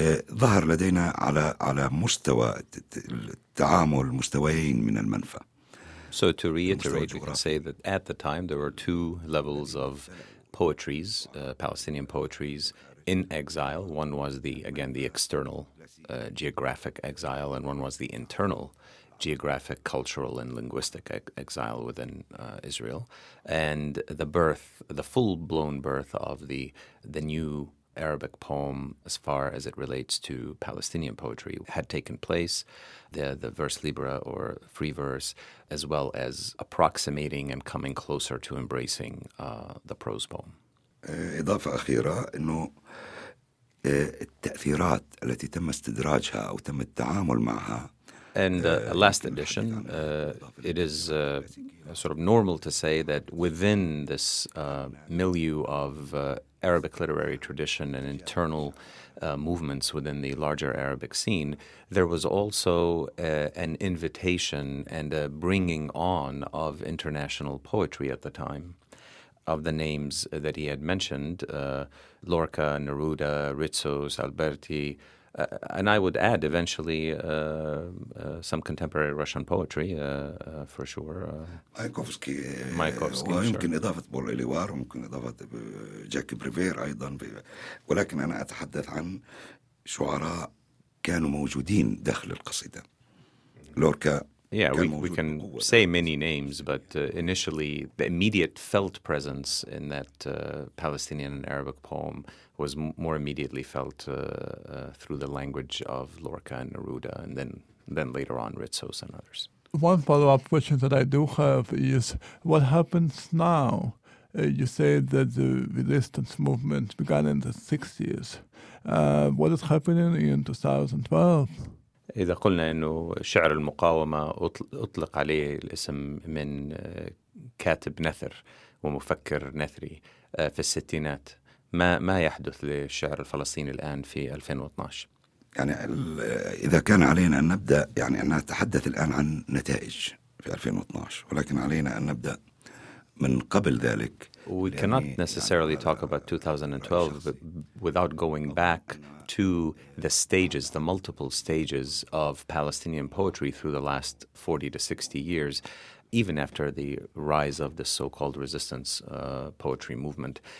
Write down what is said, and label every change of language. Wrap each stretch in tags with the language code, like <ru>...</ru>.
<ar>ظهر لدينا على مستوى التعامل مستويين من المنفى.</ar> <en>So to reiterate, we can say that at the time there were two levels of poetries, Palestinian poetries in exile. One was the external geographic exile, and one was the internal geographic, cultural, and linguistic exile within Israel. And the full blown birth of the new Arabic poem, as far as it relates to Palestinian poetry, had taken place, the verse libre or free verse, as well as approximating and coming closer to embracing the prose poem.</en> <ar>إضافة أخيرة إنه التأثيرات التي تم استدراجها أو تم التعامل معها.</ar> <en>And last edition, it is sort of normal to say that within this milieu of Arabic literary tradition and internal movements within the larger Arabic scene, there was also an invitation and a bringing on of international poetry at the time. Of the names that he had mentioned, Lorca, Neruda, Ritsos, Alberti, and I would add eventually some contemporary Russian poetry, for sure. Mayakovsky. Mayakovsky, sure.</en> <ar>ويمكن إضافة بول إليوار وممكن إضافة جاك بريفير أيضا. ولكن أنا أتحدث عن شعراء كانوا موجودين داخل القصيدة. لوركا.</ar> <en>Yeah, we can say many names, but initially the immediate felt presence in that Palestinian and Arabic poem was more immediately felt through the language of Lorca and Neruda, and then later on Ritsos and others. One follow-up question that I do have is, what happens now? You say that the resistance movement began in the 60s. What is happening in 2012?</en> <ar>إذا قلنا إنه شعر المقاومة أطلق عليه الاسم من كاتب نثر ومفكر نثري في الستينات, ما يحدث للشعر الفلسطيني الآن في 2012؟ يعني إذا كان علينا أن نبدأ, يعني أنا أتحدث الآن عن نتائج في 2012, ولكن علينا أن نبدأ من قبل ذلك.</ar> <en>We cannot necessarily talk about 2012 without going back to the stages, the multiple stages of Palestinian poetry through the last 40 to 60 years, even after the rise of the so-called resistance poetry movement.</en>